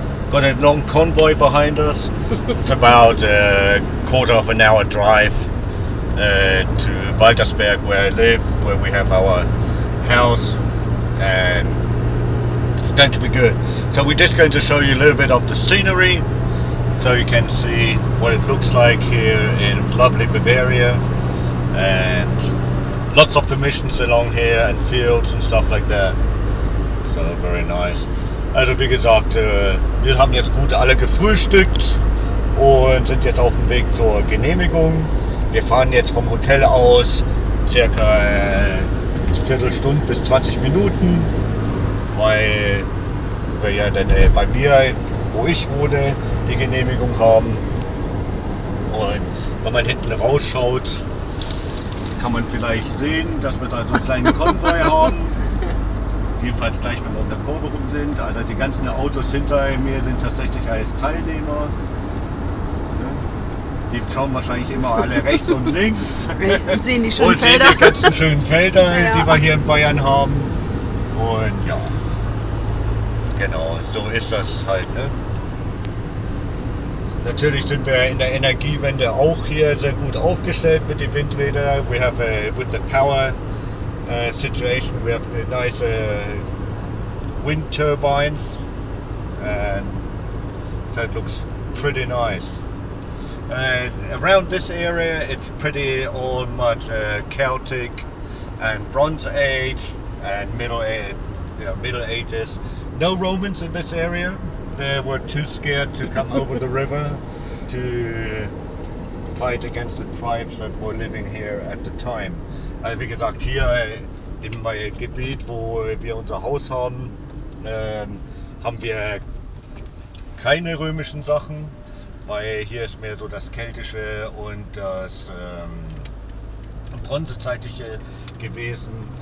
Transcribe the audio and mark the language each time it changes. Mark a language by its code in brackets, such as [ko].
[en] Got a long convoy behind us. It's about a quarter of an hour drive to Waltersberg, where I live, where we have our house, and it's going to be good. So we're just going to show you a little bit of the scenery so you can see what it looks like here in lovely Bavaria. And lots of permissions along here and fields and stuff like that. So very nice. [de] Also wie gesagt, wir haben jetzt gut alle gefrühstückt und sind jetzt auf dem Weg zur Genehmigung. Wir fahren jetzt vom Hotel aus circa eine Viertelstunde bis 20 Minuten, weil wir ja dann bei mir, wo ich wohne, die Genehmigung haben. Und wenn man hinten rausschaut, kann man vielleicht sehen, dass wir da so einen kleinen Konvoi haben. Jedenfalls gleich, wenn wir auf der Kurve rum sind. Also die ganzen Autos hinter mir sind tatsächlich als Teilnehmer. Die schauen wahrscheinlich immer alle rechts und links. Und sehen die schönen Felder. Und sehen die ganzen schönen Felder, ja, die wir hier in Bayern haben. Und ja, genau, so ist das halt. Ne? Natürlich sind wir in der Energiewende auch hier sehr gut aufgestellt mit den Windrädern. [en] We have with the power situation, we have nice wind turbines. And that looks pretty nice. Around this area, it's pretty all much Celtic and Bronze Age and Middle Ages. No Romans in this area. They were too scared to come over the river to fight against the tribes that were living here at the time. [de] Wie gesagt, hier in meinem Gebiet, wo wir unser Haus haben, haben wir keine römischen Sachen, weil hier ist mehr so das Keltische und das Bronzezeitliche gewesen.